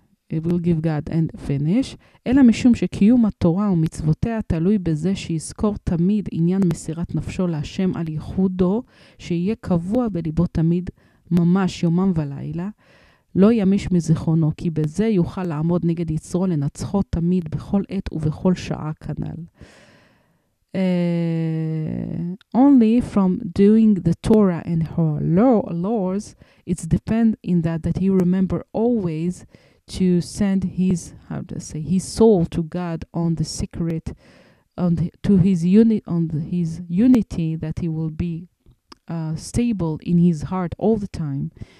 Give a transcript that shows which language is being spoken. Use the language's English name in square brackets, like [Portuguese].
[English] It will give God and finish. [Hebrew] אלא משום שקיום התורה ומצוותיה תלוי בזה שיזכור תמיד עניין מסירת נפשו להשם על ייחודו, שיהיה קבוע בליבו תמיד ממש יומם ולילה, לא ימיש מזיכרונו, כי בזה יוכל לעמוד נגד יצרו לנצחו תמיד בכל עת ובכל שעה כנל. [English] Only from doing the Torah and her laws, it's depend in that he remember always to send his soul to God on the secret, his unity, that he will be stable in his heart all the time,